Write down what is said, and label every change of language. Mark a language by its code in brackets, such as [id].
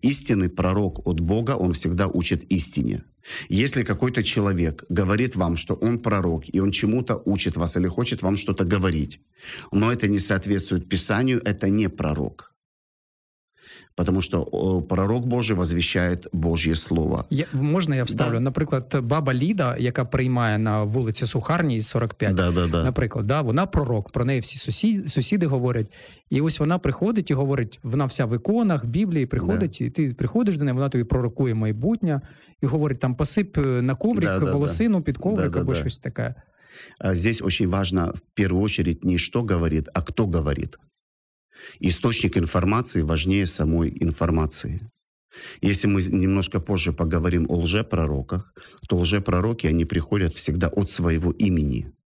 [ru] Истинный пророк от Бога, он всегда учит истине. Если какой-то человек говорит вам, что он пророк, и он чему-то учит вас или хочет вам что-то говорить, но это не соответствует Писанию, это не пророк. Потому что пророк Божий возвещает Божье Слово. Можно я вставлю? Да. [uk] Например, баба Ліда, яка приймає на вулиці Сухарній 45, наприклад, да, вона пророк, про неї всі сусіди говорять. І ось вона приходить і говорить, вона вся в іконах, в Біблії приходить, да. І ти приходиш до неї, вона тобі пророкує майбутнє, і говорить, там, посип на коврик волосину під коврик або щось таке. [ru] Здесь очень важно, в первую очередь, не что говорит, а кто говорит. Источник информации важнее самой информации. Если мы немножко позже поговорим о лжепророках, то лжепророки, они приходят всегда от своего имени.